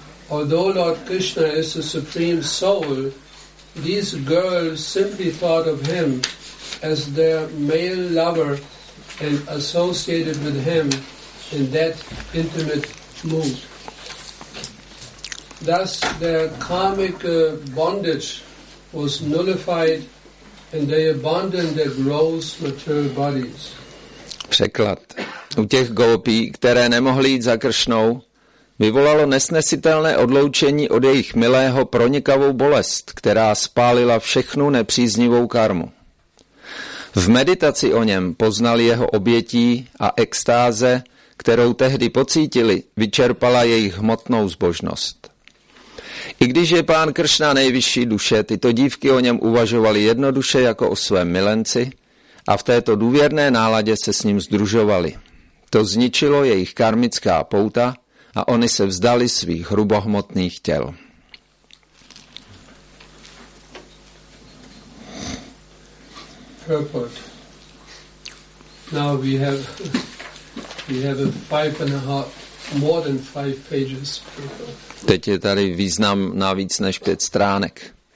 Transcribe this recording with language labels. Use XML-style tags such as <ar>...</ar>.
<en>Although Lord Krishna is the Supreme Soul, these girls simply thought of him as their male lover and associated with him in that intimate mood. Thus, their karmic bondage was nullified and they abandoned their gross material bodies.</en> <cs>Překlad. U těch gopí, které nemohly jít za Kršnou, vyvolalo nesnesitelné odloučení od jejich milého pronikavou bolest, která spálila všechnu nepříznivou karmu. V meditaci o něm poznali jeho obětí a extáze, kterou tehdy pocítili, vyčerpala jejich hmotnou zbožnost. I když je pán Kršna nejvyšší duše, tyto dívky o něm uvažovaly jednoduše jako o svém milenci a v této důvěrné náladě se s ním sdružovali. To zničilo jejich karmická pouta a oni se vzdali svých hrubohmotných těl.</cs> <en>Purport. Now we have a five and a half, more than five pages.</en> <cs>Teď je tady význam na víc než pět stránek.</cs>